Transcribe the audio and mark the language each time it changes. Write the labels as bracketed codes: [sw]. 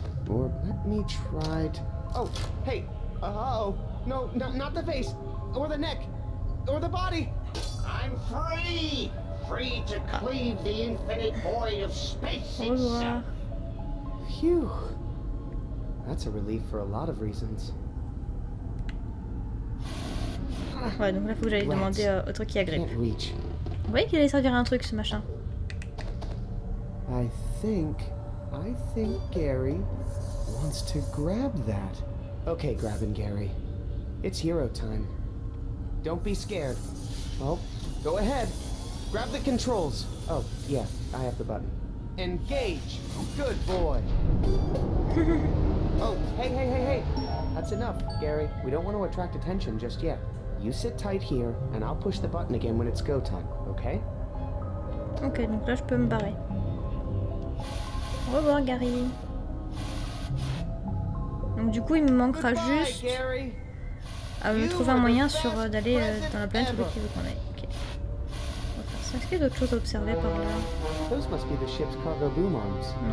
[en] Or let me try to... Oh, hey! No, not the face! Or the neck! Or the body! I'm free! Free to cleave the infinite void of space itself. Phew. That's a relief for a lot of reasons. [fr] Ouais, donc là, faut que j'aille demander au truc qui a grippe. Vous voyez qu'il allait servir à un truc, ce machin. [en] I think Gary wants to grab that. Okay, grabbing Gary. It's hero time. Don't be scared. Oh, go ahead. Grab the controls. Oh, yeah, I have the button. Engage! Good boy! Oh, hey! That's enough, Gary. We don't want to attract attention just yet. You sit tight here, and I'll push the button again when it's go time, okay? [fr] Ok, donc là je peux me barrer. Au revoir, Gary. Donc du coup, il me manquera [en] goodbye, [fr] juste... [en] Gary. [fr] Trouver un moyen sur d'aller dans la planète où il veut qu'on aille. Ok. Est-ce qu'il y a d'autres choses à observer par là? [en] Those must be the ship's cargo boom arms.